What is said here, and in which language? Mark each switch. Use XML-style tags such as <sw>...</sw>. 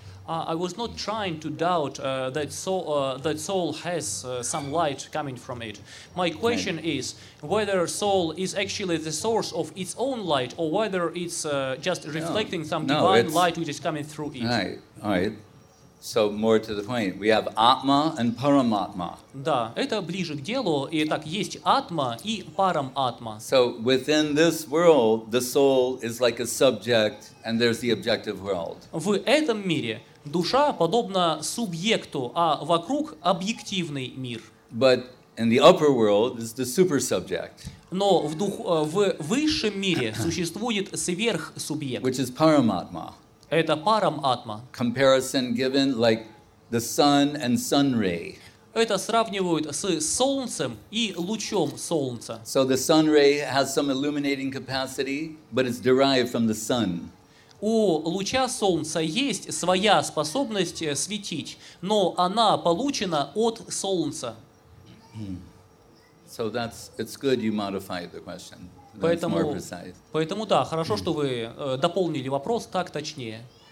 <en>I was not trying to doubt that soul has some light coming from it. My question is whether soul is actually the source of its own light or whether it's just reflecting some divine light which is coming through it. All right. So more to the point, we have Atma and Paramatma.</en> <ru>Да, это ближе к делу. Итак, есть Атма и Парам-Атма.</ru> <en>So within this world, the soul is like a subject and there's the objective world.</en> <ru>В этом мире душа подобна субъекту, а вокруг объективный мир.</ru> <en>But in the upper world is the super subject.</en> <ru>Но в высшем мире существует сверхсубъект.</ru> <en>Which is Paramatma.</en> <ru>Это Парам-Атма.</ru> <en>Comparison given like the sun and sun ray.</en> <ru>Это сравнивают с солнцем и лучом солнца.</ru> <en>So the sun ray has some illuminating capacity, but it's derived from the sun.</en> <ru>У луча солнца есть своя способность светить, но она получена от солнца.</ru> <en>So that's it's good you modified the question.</en> <ru>Поэтому да, хорошо, что вы дополнили вопрос так точнее.</ru>